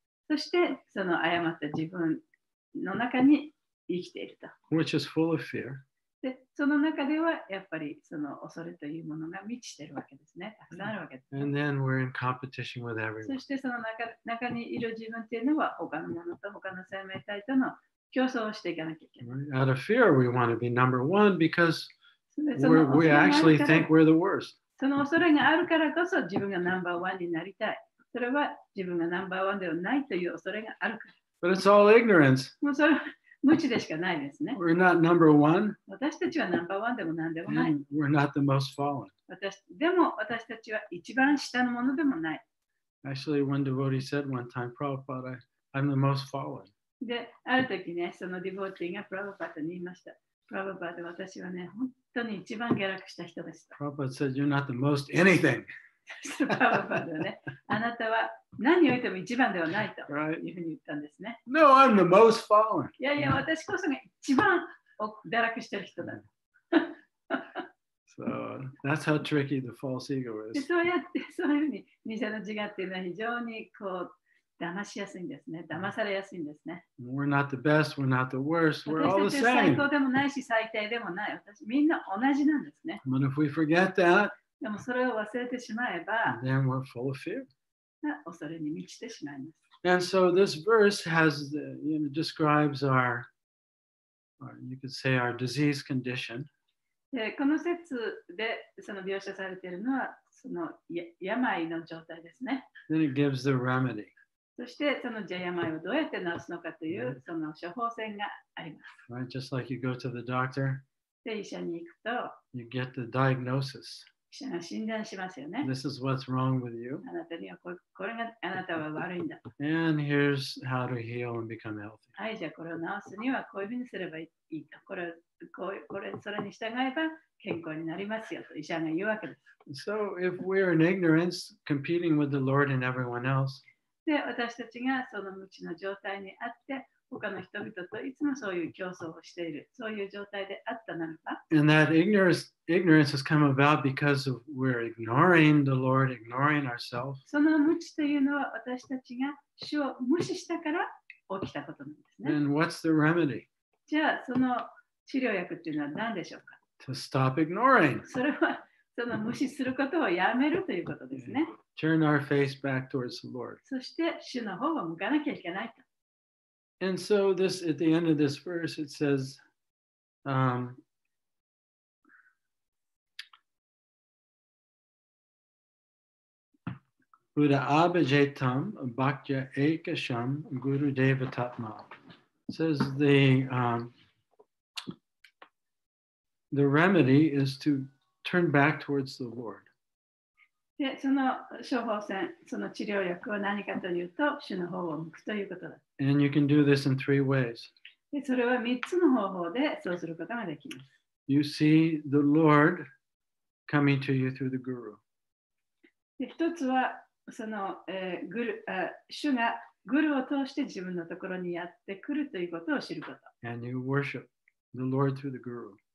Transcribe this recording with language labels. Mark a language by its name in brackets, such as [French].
[Japanese] そして、その誤った自分の中に生きていると。 [English] Which is full of fear. [Japanese] で、その中では、やっぱりその恐れというものが満ちているわけですね。たくさんあるわけです。 [English] And then we're in competition with everyone. [Japanese] そして、その 中にいる自分というのは、他のものと他の生命体との競争をしていかなきゃいけない。 [English] Out of fear, we want to be number one because... We actually think we're the worst. [Japanese] その恐れがあるからこそ自分がナンバーワンになりたい。それは自分がナンバーワンではないという恐れがあるから。 [English] But it's all ignorance. [Japanese] もうそれは無知でしかないですね。 [English] We're not number one. [Japanese] 私たちはナンバーワンでも何でもない。 [English] And we're not the most fallen. [Japanese] でも私たちは一番下のものでもない。 [English] Actually, one devotee said one time, Prabhupada, I'm the most fallen. [Japanese] で、ある時ね、そのディボティがプラヴァパタに言いました。 Prabhupada, 私はね、本当に一番下落した人でした。 [English] Prabhupada said, you're not the most anything. [Japanese] Prabhupada ね、あなたは何を言っても一番ではないというふうに言ったんですね。 [English] No, I'm the most fallen. [Japanese] いやいや、私こそが一番下落してる人だ。 [English] So, that's how tricky the false ego is. [Japanese] そうやって、そういうふうに、偽の自我っていうのは非常にこう、騙しやすいんですね。騙されやすいんですね。 [English] We're not the best, we're not the worst, we're all the same. [Japanese] 最高でもないし最低でもない。私みんな同じなんですね。 [English] But if we forget that, [Japanese] でもそれを忘れてしまえば、 [English] then we're full of fear. [Japanese] 恐れに満ちてしまいます。 [English] And so this verse has the, you know, describes our, you could say our disease condition. [Japanese] で、この説でその描写されているのは、その病の状態ですね。 [English] Then it gives the remedy. [Japanese] そしてその病をどうやって治すのかというその処方箋があります。 [English] Right, just like you go to the doctor. [Japanese] で、医者に行くと、 [English] you get the diagnosis. [Japanese] 医者が診断しますよね。 [English] This is what's wrong with you. [Japanese] あなたにはこれがあなたは悪いんだ。 [English] And here's how to heal and become healthy. [Japanese] はい、じゃあこれを治すにはこういうふうにすればいいと。これそれに従えば健康になりますよと医者が言うわけです。 [English] So if we're in ignorance, competing with the Lord and everyone else, [Japanese] で私たちがその無知の状態にあって他の人々といつもそういう競争をしているそういう状態であったならば [English] And that ignorance has come about because of we're ignoring the Lord, ignoring ourselves. [Japanese] その無知というのは私たちが主を無視したから起きたことなんですね。 [English] And what's the remedy? [Japanese] じゃあその治療薬というのは何でしょうか? [English] To stop ignoring. [Japanese] それはその無視することをやめるということですね。 [English] Turn our face back towards the Lord. [Japanese] そして主の方を向かなきゃいけないと。 [English] And so this at the end of this verse it says, [Sanskrit] Buddha abhijetam bhakya ekasham guru devatatma. [English] Says the remedy is to turn back towards the Lord. [Japanese] でその処方箋、その治療薬は何かというと、主の方を向くということだ。 [English] And you can do this in three ways. [Japanese] でそれは3つの方法でそうすることができます。 [English] You see the Lord coming to you through the Guru. [Japanese] で1つはその、グル、主がグルを通して自分のところにやってくるということを知ること。 [English] And you worship the Lord through the Guru.